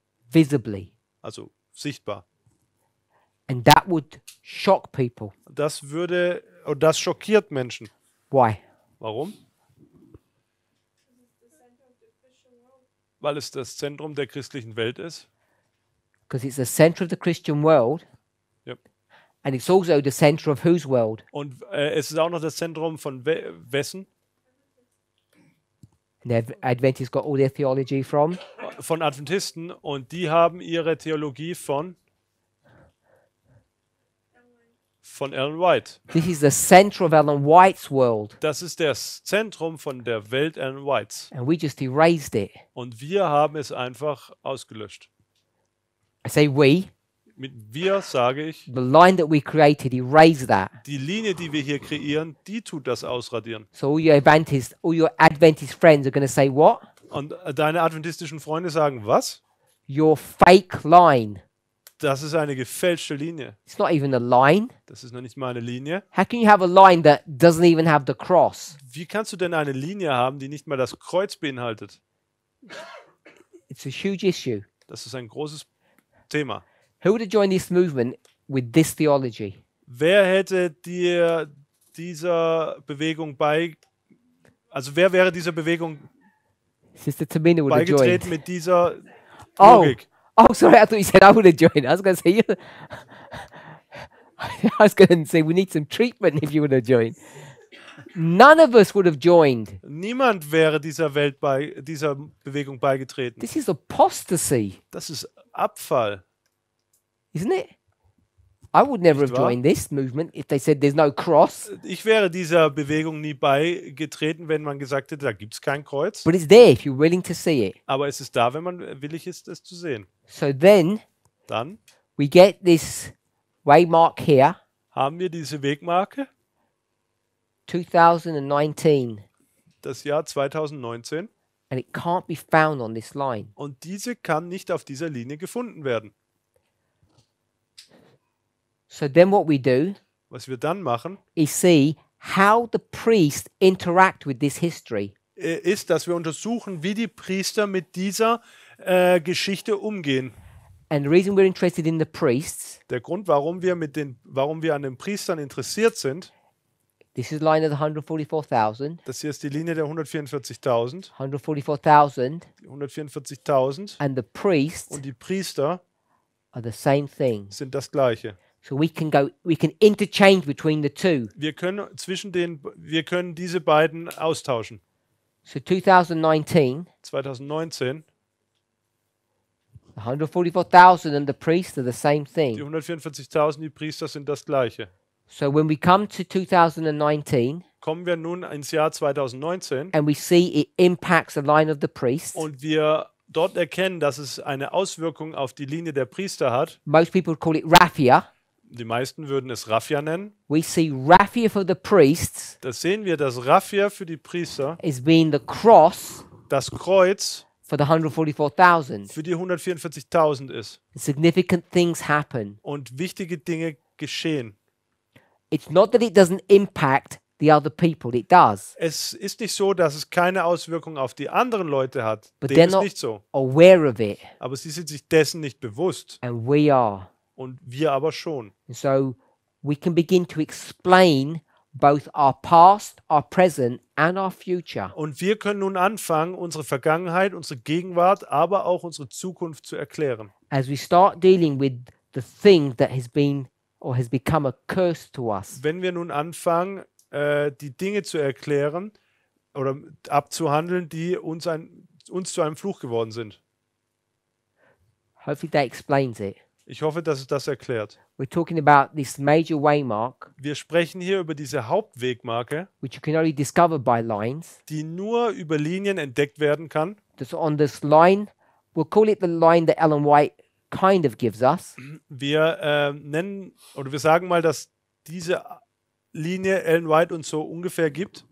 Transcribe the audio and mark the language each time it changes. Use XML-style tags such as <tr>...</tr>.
<en>Visibly.</en> <de>Also sichtbar.</de> <en>And that would shock people.</en> <de>Das würde, oh, das schockiert Menschen.</de> <en>Why?</en> <de>Warum? Weil es das Zentrum der christlichen Welt ist.</de> <en>Because it's the center of the Christian world. Yep. And it's also the center of whose world?</en> <de>Und es ist auch noch das Zentrum von wessen?</de> <en>And Adventists got all their theology from?</en> <de>Von Adventisten, und die haben ihre Theologie von? Von Ellen White.</de> <en>This is the center of Ellen White's world.</en> <de>Das ist das Zentrum von der Welt Ellen White's.</de> <en>And we just erased it.</en> <de>Und wir haben es einfach ausgelöscht.</de> <en>I say we.</en> <de>mit wir sage ich.</de> <en>The line that we created erases that.</en> <de>Die Linie, die wir hier kreieren, die tut das ausradieren.</de> <en>So all your Adventist friends are going to say what?</en> <de>Und deine adventistischen Freunde sagen was?</de> <en>Your fake line.</en> <de>Das ist eine gefälschte Linie.</de> <en>It's not even a line.</en> <de>Das ist noch nicht mal eine Linie.</de> <en>How can you have a line that doesn't even have the cross?</en> <de>Wie kannst du denn eine Linie haben, die nicht mal das Kreuz beinhaltet?</de> <en>It's a huge issue.</en> <de>Das ist ein großes Thema.</de> <en>Who would have joined this movement with this theology?</en> <de>Wer hätte dir dieser Bewegung bei... Also wer wäre dieser Bewegung</de> <en>Sister Tamina would</en> <de>beigetreten</de> <en>have joined.</en> <de>Mit dieser Logik?</de> <en>Oh, sorry, I thought you said I would have joined. I was going to say, we need some treatment if you would have joined. None of us would have joined.</en> <de>Niemand wäre dieser Bewegung beigetreten.</de> <en>This is apostasy.</en> <de>Das ist Abfall.</de> <en>Isn't it? I would never have joined this movement if they said there's no cross.</en> <de>Ich wäre dieser Bewegung nie beigetreten, wenn man gesagt hätte, da gibt's kein Kreuz.</de> <en>But it's there if you're willing to see it.</en> <de>Aber es ist da, wenn man willig ist, es zu sehen.</de> <en>So then,</en> <de>dann</de> <en>we get this waymark here.</en> <de>Haben wir diese Wegmarke?</de> <en>2019.</en> <de>Das Jahr 2019.</de> <en>And it can't be found on this line.</en> <de>Und diese kann nicht auf dieser Linie gefunden werden.</de> <en>So then what we do,</en> <de>was wir dann machen,</de> <en>is see how the priests interact with this history.</en> <de>Ist, dass wir untersuchen, wie die Priester mit dieser Geschichte umgehen.</de> <en>And the reason we're interested in the priests,</en> <de>der Grund, warum wir an den Priestern interessiert sind,</de> <en>this is line of the 144,000.</en> <de>Das hier ist die Linie der 144,000.</de> <en>144,000.</en> <de>144,000.</de> <en>And the priests,</en> <de>und die Priester,</de> <en>are the same thing.</en> <de>Sind das gleiche.</de> <en>So we can interchange between the two.</en> <de>Wir können diese beiden austauschen.</de> <en>So 2019.</en> <de>2019.</de> <en>144,000 and the priests are the same thing.</en> <de>Die 144,000, die Priester sind das gleiche.</de> <en>So when we come to 2019.</en> <de>Kommen wir nun ins Jahr 2019.</de> <en>And we see it impacts the line of the priests.</en> <de>Und wir dort erkennen, dass es eine Auswirkung auf die Linie der Priester hat.</de> <en>Most people call it raffia.</en> <de>Die meisten würden es Raffia nennen.</de> <en>We see Raffia for the priests.</en> <de>Das sehen wir, dass Raffia für die Priester</de> <en>is being the cross,</en> <de>das Kreuz</de> <en>for the 144,000.</en> <de>Für die 144,000 ist.</de> <en>Significant things happen.</en> <de>Und wichtige Dinge geschehen.</de> <en>It's not that it doesn't impact the other people, it does.</en> <de>Es ist nicht so, dass es keine Auswirkung auf die anderen Leute hat.</de> <en>But</en> <de>dem ist nicht so.</de> <en>Aware of it.</en> <de>Aber sie sind sich dessen nicht bewusst.</de> <en>And we are.</en> <de>Und wir aber schon.</de> <en>So we can begin to explain both our past, our present and our future.</en> <de>Und wir können nun anfangen, unsere Vergangenheit, unsere Gegenwart, aber auch unsere Zukunft zu erklären.</de> <en>As we start dealing with the thing that has been or has become a curse to us.</en> <de>Wenn wir nun anfangen, die Dinge zu erklären oder abzuhandeln, die uns zu einem Fluch geworden sind.</de> <en>Hopefully that explains it.</en> <de>Ich hoffe, dass es das erklärt.</de> <en>We're talking about this major waymark,</en> <de>wir sprechen hier über diese Hauptwegmarke,</de> <en>which you can only discover by lines,</en> <de>die nur über Linien entdeckt werden kann.</de> <en>That's on this line, we'll call it the line that Ellen White kind of gives us.</en> <de>Wir nennen oder wir sagen mal, dass diese Linie Ellen White uns so ungefähr gibt.</de>